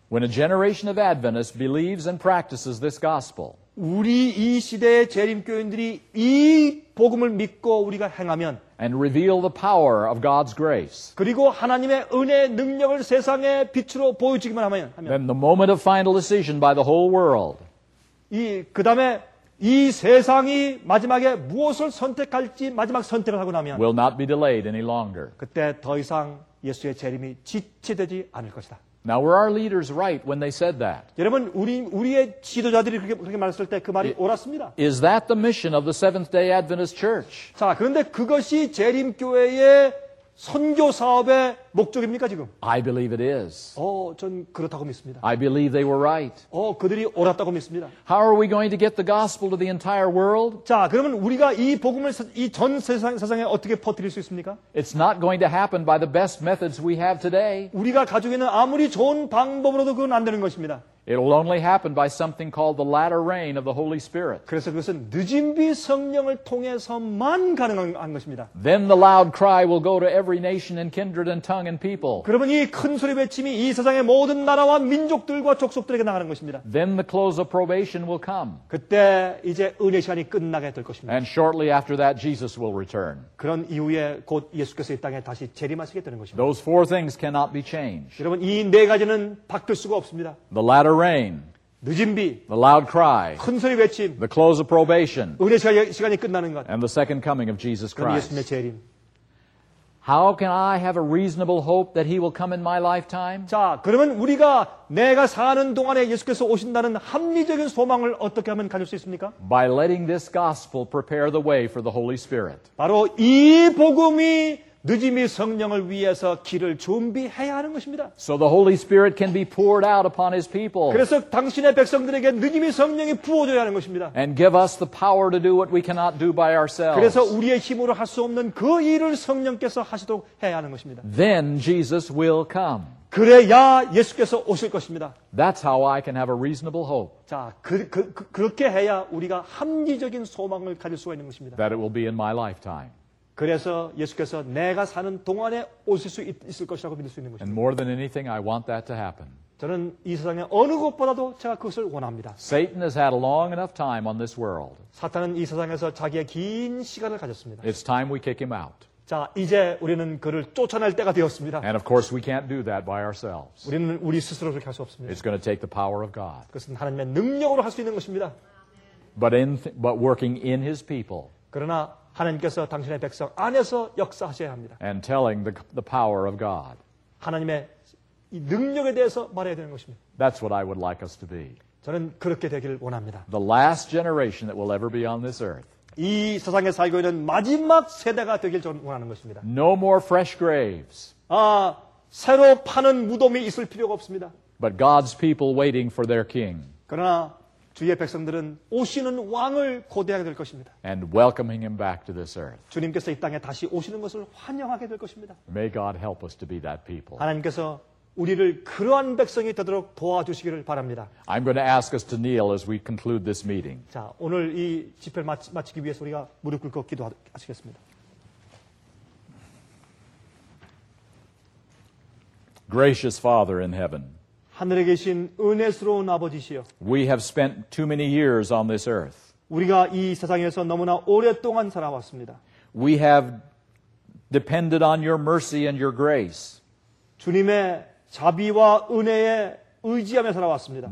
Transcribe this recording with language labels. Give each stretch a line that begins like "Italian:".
English: When a generation of Adventists believes and practices this gospel.
Korean: 우리 이 시대의 재림교인들이 이 복음을 믿고 우리가 행하면
English: and reveal the power of God's grace.
Korean: 그리고 하나님의 은혜 능력을 세상에 빛으로 보여주기만 하면
English: then the moment of final decision by the whole world.
Korean: 이 그다음에 이 세상이 마지막에 무엇을 선택할지 마지막 선택을 하고 나면
English: will not be delayed any longer.
Korean: 그때 더 이상 예수의 재림이 지체되지 않을 것이다.
English: Now were our leaders right when they said that?
Korean: 여러분 우리의 지도자들이 그렇게 말했을 때 그 말이 옳았습니다.
English: Is that the mission of the Seventh-day Adventist Church?
Korean: 자, 그런데 그것이 재림교회의 선교 사업의 목적입니까 지금?
English: I believe it is.
Korean: 전 그렇다고 믿습니다.
English: I believe they were right.
Korean: 그들이 옳았다고 믿습니다.
English: How are we going to get the gospel to the entire world?
Korean: 자, 그러면 우리가 이 복음을 이 전 세상에 어떻게 퍼뜨릴 수 있습니까?
English: It's not going to happen by the best methods we have today.
Korean: 우리가 가지고 있는 아무리 좋은 방법으로도 그건 안 되는 것입니다.
English: It'll only happen by something called the latter rain of the Holy Spirit.
Korean: 그래서 그것은 늦은 비 성령을 통해서만 가능한 것입니다.
English: Then the loud cry will go to every nation and kindred and tongue and people.
Korean: 그러면 이 큰 소리 외침이 이 세상의 모든 나라와 민족들과 족속들에게 나가는 것입니다.
English: Then the close of probation will come.
Korean: 그때 이제 은혜 시간이 끝나게 될 것입니다.
English: And shortly after that, Jesus will return.
Korean: 그런 이후에 곧 예수께서 이 땅에 다시 재림하시게 되는 것입니다.
English: Those four things cannot be changed.
Korean: 여러분 이 네 가지는 바뀔 수가 없습니다.
English: The latter rain,
Korean: 늦은 비,
English: the loud cry,
Korean: 큰 소리 외침,
English: the close of probation,
Korean: 은혜 시간이 끝나는 것,
English: and the second coming of Jesus Christ.
Korean: 예수님의 재림.
English: How can I have a reasonable hope that He will come in my lifetime?
Korean: 자, 그러면 우리가 내가 사는 동안에 예수께서 오신다는 합리적인 소망을 어떻게 하면 가질 수 있습니까?
English: By letting this gospel prepare the way for the Holy Spirit.
Korean: 바로 이 복음이 늦은 비 성령을 위해서 길을 준비해야 하는 것입니다.
English: So the Holy Spirit can be poured out upon His people.
Korean: 그래서 당신의 백성들에게 늦은 비 성령이 부어줘야 하는 것입니다.
English: And give us the power to do what we cannot do by ourselves.
Korean: 그래서 우리의 힘으로 할 수 없는 그 일을 성령께서 하시도록 해야 하는 것입니다.
English: Then Jesus will come.
Korean: 그래야 예수께서 오실 것입니다.
English: That's how I can have a reasonable hope.
Korean: 자, 그렇게 해야 우리가 합리적인 소망을 가질 수가 있는 것입니다.
English: That it will be in my lifetime.
Korean: 그래서 예수께서 내가 사는 동안에 오실 수 있을 것이라고 믿을 수 있는 것입니다.
English: And more than anything, I want that to happen.
Korean: 저는 이 세상에 어느 것보다도 제가 그것을 원합니다.
English: Satan has had a long enough time on this world.
Korean: 사탄은 이 세상에서 자기의 긴 시간을 가졌습니다.
English: It's time we kick him out.
Korean: 자, 이제 우리는 그를 쫓아낼 때가 되었습니다.
English: And of course we can't do that by ourselves.
Korean: 우리는 우리 스스로 그렇게 할 수 없습니다.
English: It's going to take the power of God.
Korean: 그것은 하나님의 능력으로 할 수 있는 것입니다.
English: But working in his people.
Korean: 그러나 하나님께서 당신의 백성 안에서 역사하셔야 합니다.
English: And telling the power of God.
Korean: 하나님의 이 능력에 대해서 말해야 되는 것입니다.
English: That's what I would like us to be.
Korean: 저는 그렇게 되기를 원합니다.
English: The last generation that will ever be on this earth.
Korean: 이 세상에 살고 있는 마지막 세대가 되길 원하는 것입니다.
English: No more fresh graves.
Korean: 아, 새로 파는 무덤이 있을 필요가 없습니다.
English: But God's people waiting for their king.
Korean: 그러나 주의 백성들은 오시는 왕을 고대하게 될 것입니다.
English: And welcoming him back to this earth.
Korean: 주님께서 이 땅에 다시 오시는 것을 환영하게 될 것입니다.
English: May God help us to be that people.
Korean: 하나님께서 우리를 그러한 백성이 되도록 도와주시기를 바랍니다.
English: I'm going to ask us to kneel as we conclude this meeting.
Korean: 자, 오늘 이 집회를 마치기 위해서 우리가 무릎 꿇고 기도하시겠습니다.
English: Gracious Father in heaven.
Korean: 하늘에 계신 은혜스러운 아버지시여.
English: We have spent too many years on this earth.
Korean: 우리가 이 세상에서 너무나 오랫동안 살아왔습니다.
English: We have depended on your mercy and your grace.
Korean: 주님의 자비와 은혜에 의지하며 살아왔습니다.